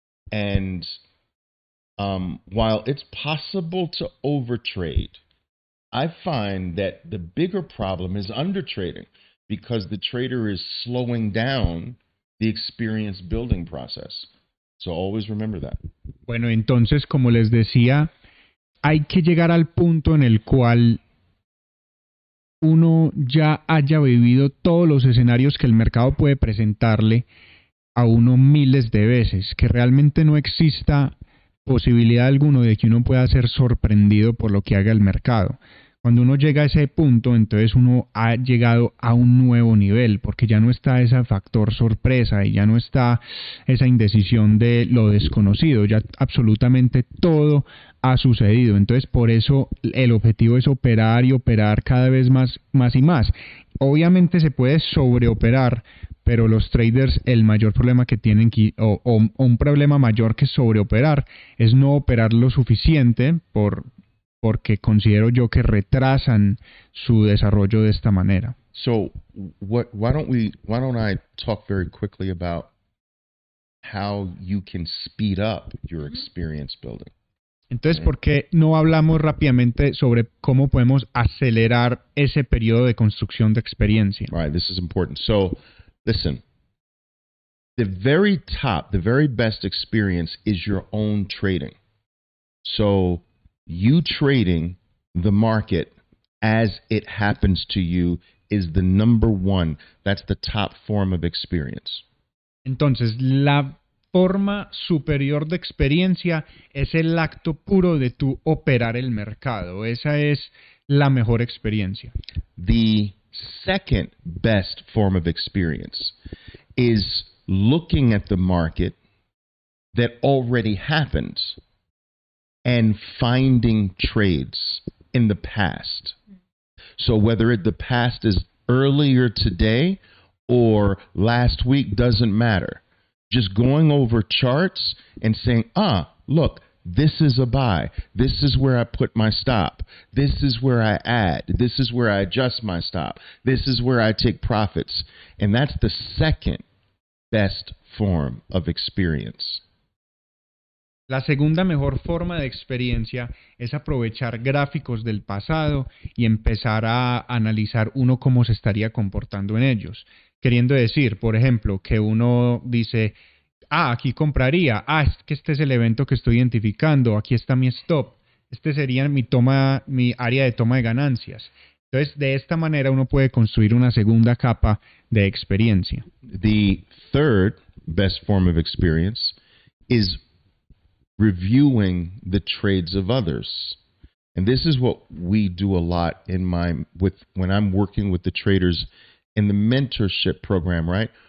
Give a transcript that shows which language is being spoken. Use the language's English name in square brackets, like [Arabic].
[English] And while it's possible to overtrade, I find that the bigger problem is undertrading because the trader is slowing down the experience building process. So always remember that. [Spanish] Bueno, entonces, como les decía, hay que llegar al punto en el cual uno ya haya vivido todos los escenarios que el mercado puede presentarle a uno miles de veces, que realmente no exista posibilidad alguna de que uno pueda ser sorprendido por lo que haga el mercado. Cuando uno llega a ese punto, entonces uno ha llegado a un nuevo nivel, porque ya no está ese factor sorpresa y ya no está esa indecisión de lo desconocido. Ya absolutamente todo ha sucedido. Entonces, por eso el objetivo es operar y operar cada vez más, más y más. Obviamente se puede sobreoperar, pero los traders, el mayor problema que tienen, o un problema mayor que sobreoperar, es no operar lo suficiente porque considero yo que retrasan su desarrollo de esta manera. [English] So, why don't I talk very quickly about how you can speed up your experience building? [Spanish] Entonces, ¿por qué no hablamos rápidamente sobre cómo podemos acelerar ese periodo de construcción de experiencia? [English] Right, this is important. So, listen. The very top, the very best experience is your own trading. So, you trading the market as it happens to you is the number one. That's the top form of experience. [Spanish] Entonces, la forma superior de experiencia es el acto puro de tu operar el mercado. Esa es la mejor experiencia. [English] The second best form of experience is looking at the market that already happens and finding trades in the past. So whether the past is earlier today or last week, doesn't matter. just going over charts and saying, ah, look, this is a buy. This is where I put my stop. This is where I add. This is where I adjust my stop. This is where I take profits. And that's the second best form of experience. [Spanish] La segunda mejor forma de experiencia es aprovechar gráficos del pasado y empezar a analizar uno cómo se estaría comportando en ellos. Queriendo decir, por ejemplo, que uno dice, ah, aquí compraría, ah, es que este es el evento que estoy identificando, aquí está mi stop, este sería mi toma, mi área de toma de ganancias. Entonces, de esta manera uno puede construir una segunda capa de experiencia. [English] The third best form of experience is reviewing the trades of others. And this is what we do a lot in my with when I'm working with the traders in the mentorship program, right?